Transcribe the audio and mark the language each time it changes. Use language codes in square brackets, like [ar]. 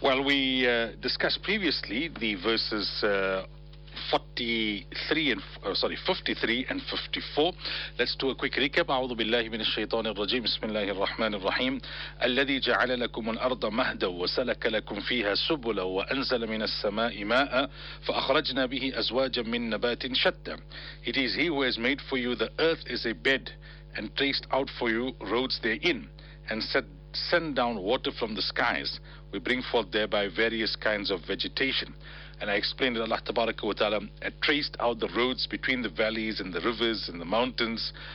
[en] Well, we discussed previously the verses 53 and 54. Let's do a quick recap. [ar] أعوذ بالله من الشيطان الرجيم. بسم الله الرحمن الرحيم. الذي جعل لكم الأرض مهدا وسلك لكم فيها سبلا وأنزل من السماء ماء فأخرجنا به أزواجا من نبات شتى. [en] It is he who has made for you the earth as a bed and traced out for you roads therein and said, send down water from the skies. We bring forth thereby various kinds of vegetation. And I explained that Allah Tabaraka wa Ta'ala had traced out the roads between the valleys and the rivers and the mountains.